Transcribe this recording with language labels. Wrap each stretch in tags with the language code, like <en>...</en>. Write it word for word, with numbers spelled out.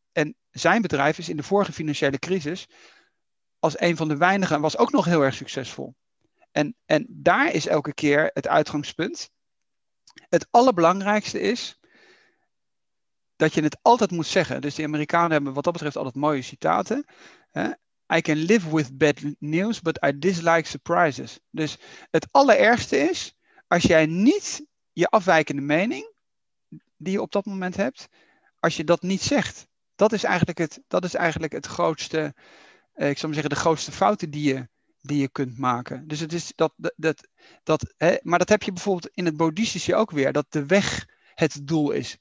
<nl>En zijn bedrijf is in de vorige financiële crisis als een van de weinigen en was ook nog heel erg succesvol. En, en daar is elke keer het uitgangspunt. Het allerbelangrijkste is... dat je het altijd moet zeggen. Dus de Amerikanen hebben wat dat betreft altijd mooie citaten. Hè?</nl> <en>I can live with bad news, but I dislike surprises.</en> <nl>Dus het allerergste is, als jij niet je afwijkende mening, die je op dat moment hebt, als je dat niet zegt. Dat is eigenlijk het, dat is eigenlijk het grootste, eh, ik zou maar zeggen, de grootste fouten die je, die je kunt maken. Dus het is dat, dat, dat hè? Maar dat heb je bijvoorbeeld in het boeddhistische ook weer, dat de weg het doel is.</nl>